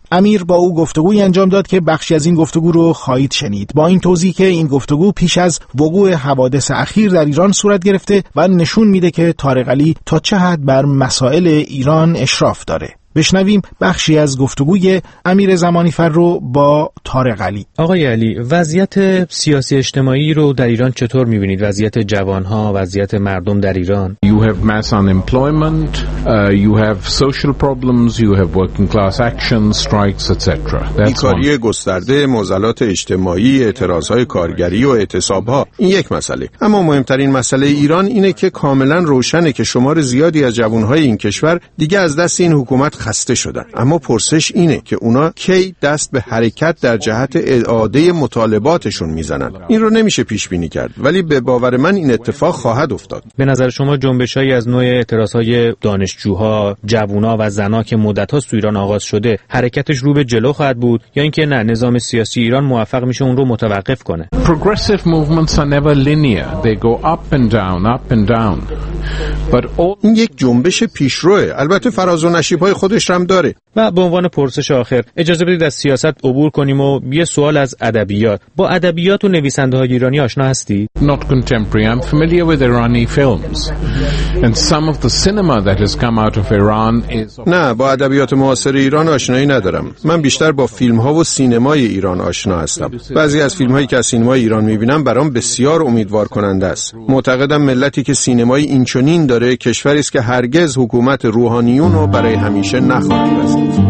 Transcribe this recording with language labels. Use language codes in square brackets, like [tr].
[fa] امیر با او گفتگوی انجام داد که بخشی از این گفتگو رو خواهید شنید، با این توضیح که این گفتگو پیش از وقوع حوادث اخیر در ایران صورت گرفته و نشون میده که طارق علی تا چه حد بر مسائل ایران اشراف داره. بشنویم بخشی از گفتگوی امیر زمانی فر رو با طارق علی. آقای علی، وضعیت سیاسی اجتماعی رو در ایران چطور می‌بینید؟ وضعیت جوان‌ها، وضعیت مردم در ایران؟ [en] You have mass unemployment, you have social problems, you have working class action, strikes, etc. [fa] بیکاری گسترده، معضلات اجتماعی، اعتراض‌های کارگری و اعتصاب‌ها، این یک مسئله. اما مهمترین مسئله ایران اینه که کاملاً روشنه که شمار زیادی از جوان‌های این کشور دیگه از دست این حکومت خسته شدن. اما پرسش اینه که اونا کی دست به حرکت در جهت اعاده مطالباتشون میزنن. این رو نمیشه پیش بینی کرد، ولی به باور من این اتفاق خواهد افتاد. به نظر شما جنبشایی از نوع اعتراضهای دانشجوها، جوونا و زنا که مدت‌ها تو ایران آغاز شده، حرکتش رو به جلو خواهد بود یا اینکه نه، نظام سیاسی ایران موفق میشه اون رو متوقف کنه؟ [en] Progressive movements are never linear. They go up and down, up and down. But [fa] این یک جنبش پیشروه، البته فراز و نشیب پای خودش هم داره. و به عنوان پرسش آخر اجازه بدید از سیاست عبور کنیم و یه سوال از ادبیات. با ادبیات و نویسنده‌های ایرانی آشنا هستی؟ [en] Not contemporary. I'm familiar with Iranian films. And some of the cinema that has come out of Iran is [fa] نه، با ادبیات معاصر ایران آشنایی ندارم. من بیشتر با فیلم‌ها و سینمای ایران آشنا هستم. بعضی از فیلم‌هایی که از سینمای ایران می‌بینم برام بسیار امیدوارکننده است. معتقدم ملتی که سینمای اینچنین داره کشوری است که هرگز حکومت روحانیون رو برای همیشه نخواهد بست.